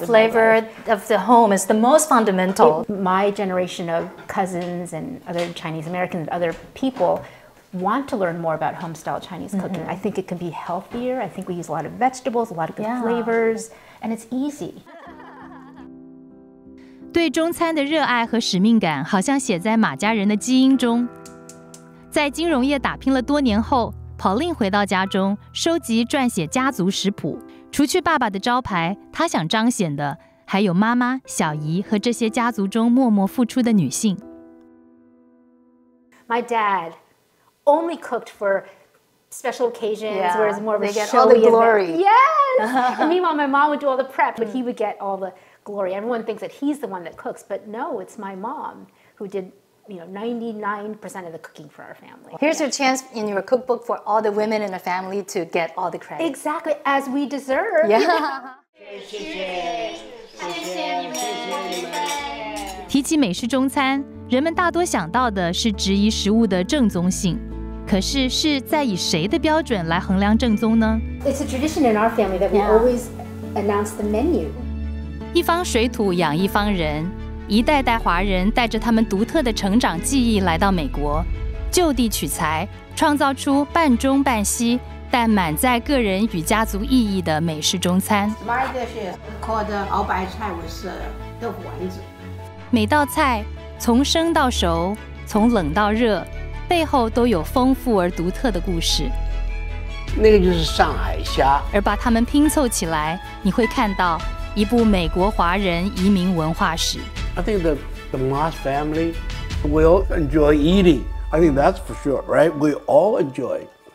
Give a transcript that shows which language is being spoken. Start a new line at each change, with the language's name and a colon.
English: the flavor of the home is the most fundamental. My generation of cousins and other Chinese Americans and other people want to learn more about home-style Chinese cooking. I think it can be healthier. I think we use a lot of vegetables, a lot of good flavors, and it's easy.
Chinese: 对中餐的热爱和使命感好像写在马家人的基因中。在金融业打拼了多年后， Pauline 回到家中收集撰写家族食谱。除去爸爸的招牌，他想彰显的还有妈妈、小姨和这些家族中默默付出的女性。
English: My dad only cooked for special occasions, where it's more of a showy event. They get all the glory. Yes. And meanwhile, my mom would do all the prep, but he would get all the glory. Everyone thinks that he's the one that cooks, but no, it's my mom who did, you know, 99% of the cooking for our family. Here's a chance in your cookbook for all the women in the family to get all the credit. Exactly, as we deserve. Yeah.
Chinese: 谢谢，谢谢你们。提起美式中餐，人们大多想到的是质疑食物的正宗性。可是是在以谁的标准来衡量正宗呢？
English: It's a tradition in our family that we always announce the menu.
Chinese: 一方水土养一方人。一代代华人带着他们独特的成长记忆来到美国，就地取材，创造出半中半西但满载个人与家族意义的美式中餐。
English: My dish is called 熬白菜with 豆腐丸子。
Chinese: 每道菜从生到熟，从冷到热，背后都有丰富而独特的故事。那个就是上海虾。而把它们拼凑起来，你会看到一部美国华人移民文化史。
English: I think the Moss family will enjoy eating. I think that's for sure, right? We all enjoy it.